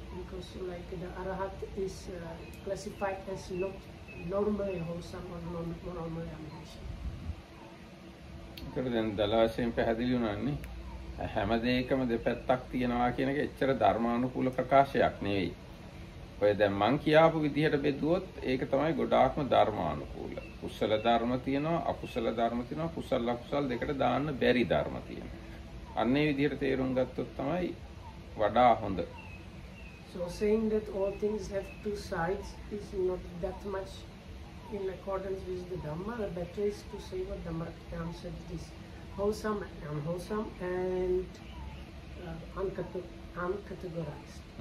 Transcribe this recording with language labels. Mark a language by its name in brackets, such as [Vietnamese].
[English] Because like the arahat is classified as not normally wholesome or normally unwholesome. [Sinhala] එතකොට දැන් දලාසයෙන් පැහැදිලි වුණා නේ හැම දෙයකම දෙපැත්තක් තියෙනවා කියන එක එච්චර ධර්මානුකූල ප්‍රකාශයක් නෙවෙයි. ඔය දැන් මං කියආපු විදිහට බෙදුවොත් ඒක තමයි ගොඩාක්ම ධර්මානුකූල. කුසල ධර්ම තියෙනවා, අකුසල ධර්ම තියෙනවා, කුසල අකුසල දෙකට දාන්න බැරි ධර්ම තියෙනවා. අන්න ඒ විදිහට තේරුම් ගත්තොත් තමයි වඩා හොඳ. [English] So saying that all things have two sides is not that much in accordance with the Dhamma. The better is to say what Dhammakam said, this wholesome and unwholesome and uncategorized.